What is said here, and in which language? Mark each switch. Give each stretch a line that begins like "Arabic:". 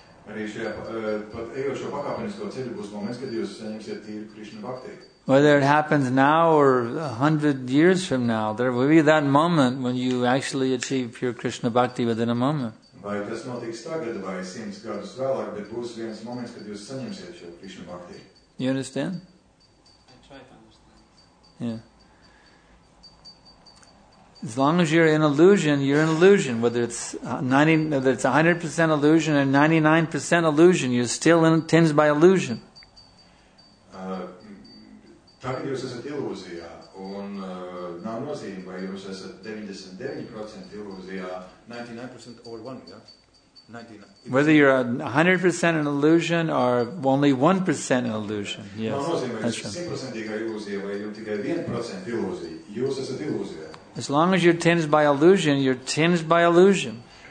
English: Whether it happens now or 100 years from now, there will be that moment when you actually achieve pure Krishna bhakti within a moment.
Latvian: Vai tas notiks tagad, vai 100 gadus vēlāk, bet būs viens moments, kad jūs saņemsiet šo Krishna bhakti.
English: You understand? I try to understand. Yeah. As long as you're in illusion, you're in illusion. Whether it's 100% illusion or 99% illusion, you're still tinged by illusion.
Latvian: Tagad jūs esat ilūzijā, un nav nozīme, vai jūs esat 99% ilūzijā,
English: 99% or 1, yeah? 99. Whether you're 100% an illusion or only 1% an illusion. Yes. That's right. As long as you're tinged by illusion, you're tinged by illusion.